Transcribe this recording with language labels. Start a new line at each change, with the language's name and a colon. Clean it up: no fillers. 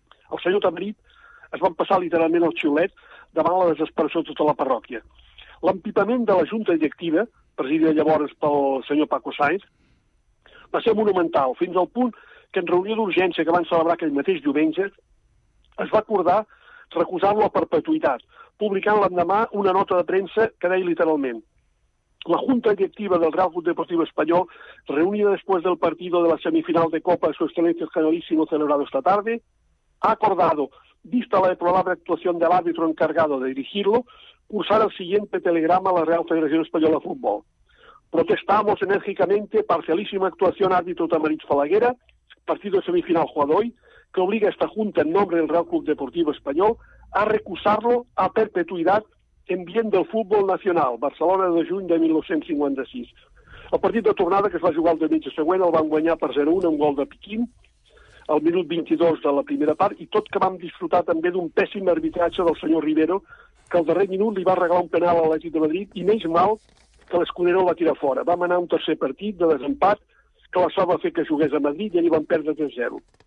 Catalan: El senyor Tamarit es va passar literalment el xiulet davant la desesperació de tota la parròquia. L'empipament de la junta directiva, presidida llavors pel senyor Paco Sáenz, va ser monumental, fins al punt que en reunió d'urgència que van celebrar aquell mateix diumenge, es va acordar recusar-lo a perpetuïtat, publicant l'endemà una nota de premsa que deia literalment:
Spanish: la junta directiva del Real Club Deportivo Español, reunida después del partido de la semifinal de Copa de Su Excelencia el Generalísimo celebrado esta tarde, ha acordado, vista la deplorable actuación del árbitro encargado de dirigirlo, cursar el siguiente telegrama a la Real Federación Española de Fútbol: protestamos enérgicamente, parcialísima actuación árbitro Tamariz Falaguera, partido de semifinal jugado hoy, que obliga a esta junta en nombre del Real Club Deportivo Español a recusarlo a perpetuidad en bien del fútbol nacional, Barcelona de juny de 1956.
Catalan: El partit de tornada, que es va jugar el diumenge següent, el van guanyar per 0-1 amb gol de Piquín al minut 22 de la primera part, i tot que vam disfrutar també d'un pèssim arbitratge del senyor Rivero, que al darrer minut li va regalar un penal a l'Atlètic de Madrid, i menys mal que l'Escudero va tirar fora. Vam anar a un tercer partit de desempat, que la sort va fer que jugués a Madrid, i allà van perdre 3-0.